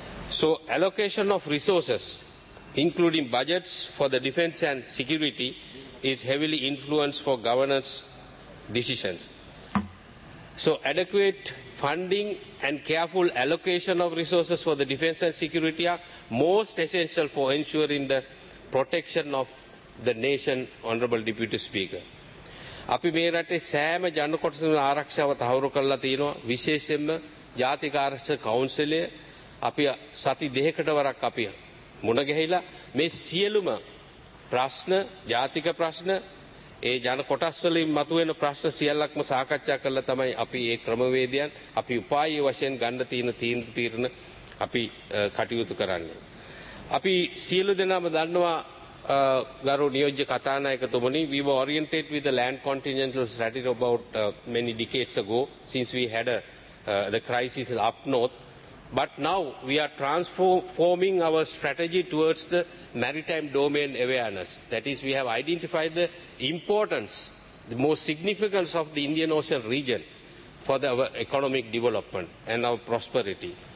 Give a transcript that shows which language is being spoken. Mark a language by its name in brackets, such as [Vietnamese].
[English] So allocation of resources, including budgets for the defense and security, is heavily influenced for governance decisions. So adequate funding and careful allocation of resources for the defense and security are most essential for ensuring the protection of the nation, Honorable Deputy Speaker. [Sinhala] අපි මේ රටේ සෑම ජන කොටසම ආරක්ෂාව තහවුරු කරලා තියෙනවා විශේෂයෙන්ම ජාතික ආරක්ෂක කවුන්සිලය අපි සති දෙකකට වරක් අපි මුණ ගැහිලා මේ සියලුම ප්‍රශ්න ජාතික ප්‍රශ්න ඒ ජන කොටස්වලින් මතුවෙන ප්‍රශ්න සියල්ලක්ම සාකච්ඡා කරලා තමයි අපි මේ ක්‍රමවේදයන් අපි උපාය වශයෙන් ගන්න තියෙන තීන්දුව తీරන අපි කටයුතු කරන්නේ අපි සියලු දෙනාම දන්නවා Garu Niyojya Kathanayakathumani, [English] we were oriented with the land contingential strategy about many decades ago, since we had the crisis up north. But now we are transforming our strategy towards the maritime domain awareness. That is, we have identified the importance, the most significance of the Indian Ocean region for the, our economic development and our prosperity.